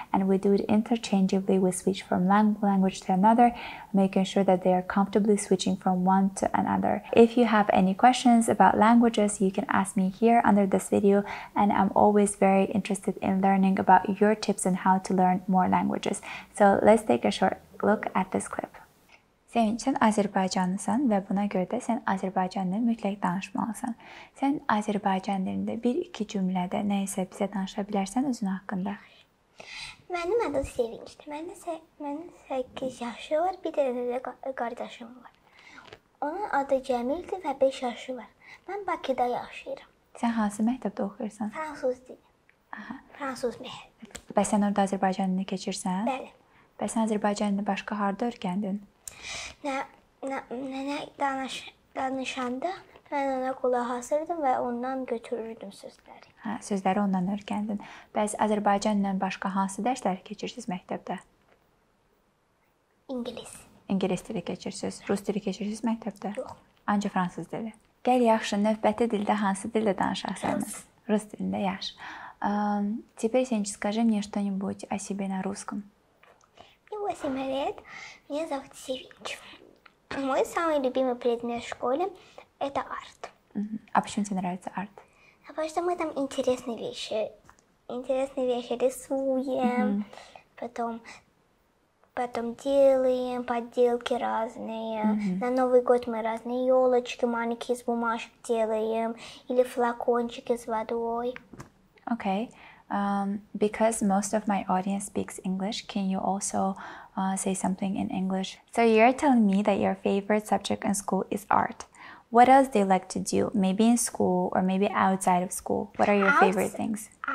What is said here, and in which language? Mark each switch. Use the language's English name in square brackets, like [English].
[English] And we do it interchangeably. We switch from language to another, making sure that they are comfortably switching from one to another. If you have any questions about languages, you can ask me here under this video. And I'm always very interested in learning about your tips and how to learn more languages. So let's take a short look at this clip. [Azerbaijani] Sevinç, sen Azerbaycanlısan və buna görə də sən Azerbaycan dilini mütləq danışmalısan. Sən Azerbaycan dilində bir iki cümlədə nə isə bizə danışa bilərsən özün haqqında. Mənim adım Sevinçdir. Mənim 8 yaşı var, bir dənə də qardaşım var. Onun adı Cəmildir və 5 yaşı var. Mən Bakıda yaşayıram. Sən hansı məktəbdə oxuyursan? Fransız dili. Aha. Fransız məktəbi. Bəs sən orada Azərbaycan dilini keçirsən? Bəli. Bəs sən Azərbaycan dilini başqa harda öyrəndin? Nənə danışanda mən ona qulaq asırdım və ondan götürürdüm sözləri. Hə, sözləri ondan öyrəndin. Bəs Azərbaycan dilindən başqa hansı dərsləri keçirsiniz məktəbdə? İngilis. İngilis dili keçirsiniz. Rus dili keçirsiniz məktəbdə? Yox. Ancaq fransız dili. Gəl, yaxşı, növbəti dildə hansı dildə danışarsan? Rus. Rus dilində, yaxşı. [Russian] Теперь, Сенч, скажи мне что-нибудь о себе на русском. Мне 8 лет, меня зовут Севинч. Мой самый любимый предмет в школе – это арт. А почему тебе нравится арт? Потому что мы там интересные вещи рисуем, потом делаем подделки разные. На Новый год мы разные елочки маленькие из бумажек делаем или флакончики с водой. [English] Okay, because most of my audience speaks English, can you also say something in English? So you're telling me that your favorite subject in school is art. What else do you like to do? Maybe in school or maybe outside of school. What are your favorite things?